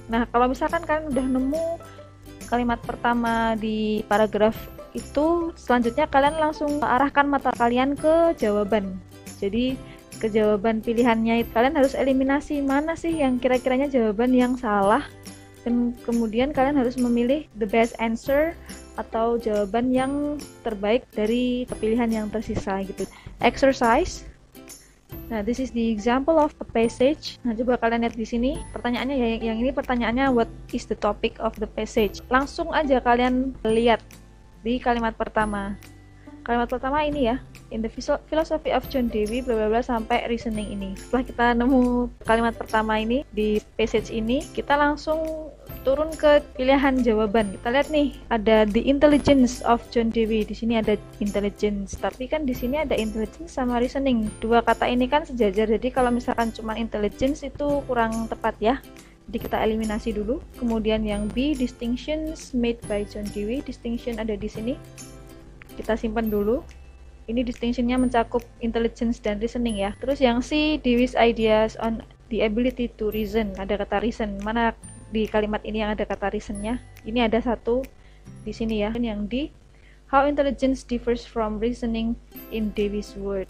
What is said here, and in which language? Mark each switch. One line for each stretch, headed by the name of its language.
Indonesian: Nah, kalau misalkan kalian udah nemu kalimat pertama di paragraf itu, selanjutnya kalian langsung arahkan mata kalian ke jawaban. Jadi ke jawaban pilihannya, kalian harus eliminasi mana sih yang kira-kiranya jawaban yang salah. Dan kemudian kalian harus memilih
English: the best answer
Indonesian: atau jawaban yang terbaik dari pilihan yang tersisa gitu.
English: Exercise. Nah, this is the example of a passage.
Indonesian: Nah, coba kalian lihat di sini pertanyaannya ya, yang ini pertanyaannya
English: what is the topic of the passage.
Indonesian: Langsung aja kalian lihat di kalimat pertama. Kalimat pertama ini ya,
English: in the philosophy of John Dewey
Indonesian: bla bla bla sampai reasoning ini. Setelah kita nemu kalimat pertama ini di passage ini, kita langsung turun ke pilihan jawaban. Kita lihat nih, ada
English: the intelligence of John Dewey.
Indonesian: Di sini ada intelligence, tapi kan di sini ada intelligence sama reasoning. Dua kata ini kan sejajar. Jadi kalau misalkan cuma intelligence itu kurang tepat ya. Jadi kita eliminasi dulu. Kemudian yang B,
English: distinctions made by John Dewey.
Indonesian: Distinction ada di sini. Kita simpan dulu. Ini distinction-nya mencakup intelligence dan reasoning ya. Terus yang C,
English: Dewey's ideas on the ability to reason.
Indonesian: Ada kata reason. Mana di kalimat ini yang ada kata reason-nya? Ini ada satu di sini ya. Yang D,
English: How intelligence differs from reasoning in Davis' world.